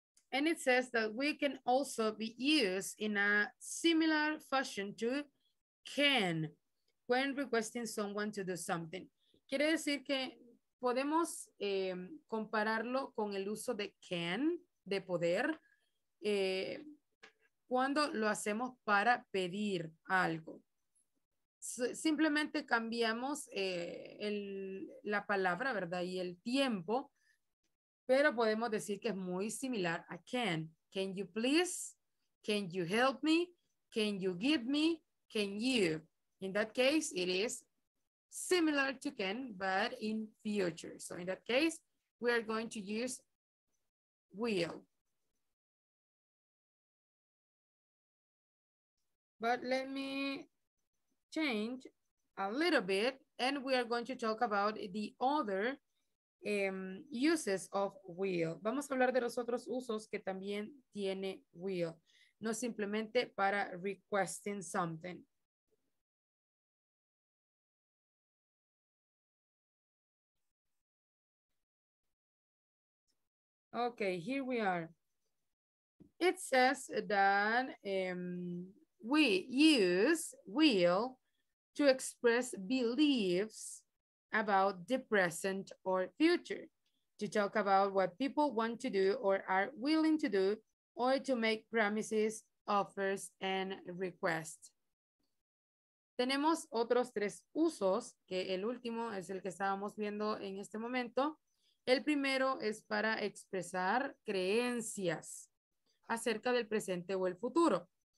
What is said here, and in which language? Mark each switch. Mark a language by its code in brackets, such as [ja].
[en] And it says that we can also be used in a similar fashion to can when requesting someone to do something. [es] Quiere decir que podemos compararlo con el uso de can, de poder, cuando lo hacemos para pedir algo. Simplemente cambiamos la palabra, ¿verdad? Y el tiempo. Pero podemos decir que es muy similar a can. [en] Can you please? Can you help me? Can you give me? Can you? In that case, it is similar to can, but in future. So in that case, we are going to use will. But let me change a little bit and we are going to talk about the other uses of will. [es] Vamos a hablar de los otros usos que también tiene will. No simplemente para [en] requesting something. Okay, here we are. It says that we use will to express beliefs about the present or future, to talk about what people want to do or are willing to do, or to make promises, offers, and requests. [es] Tenemos otros tres usos, que el último es el que estábamos viendo en este momento. El primero es para expresar creencias acerca del presente o el futuro.